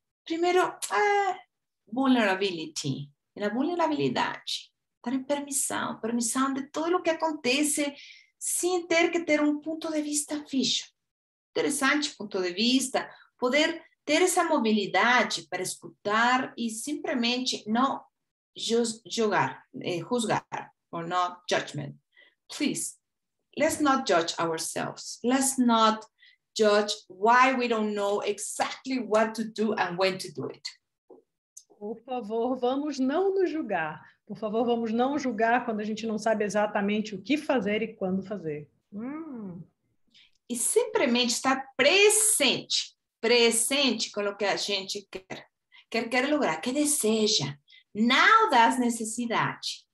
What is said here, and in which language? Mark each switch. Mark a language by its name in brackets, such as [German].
[Portuguese] Primeiro, vulnerability, na vulnerabilidade, dar permissão de tudo o que acontece sem ter que ter um ponto de vista fixo. Interessante ponto de vista, poder... ter essa mobilidade para escutar e simplesmente não julgar, ou não [English] judgment. Please, let's not judge ourselves. Let's not judge why we don't know exactly what to do and when to do it. [Portuguese] Por favor, vamos não nos julgar. Por favor, vamos não julgar quando a gente não sabe exatamente o que fazer e quando fazer. E simplesmente estar presente. Presente com o que a gente quer. Quer lograr, que deseja. Não das necessidades.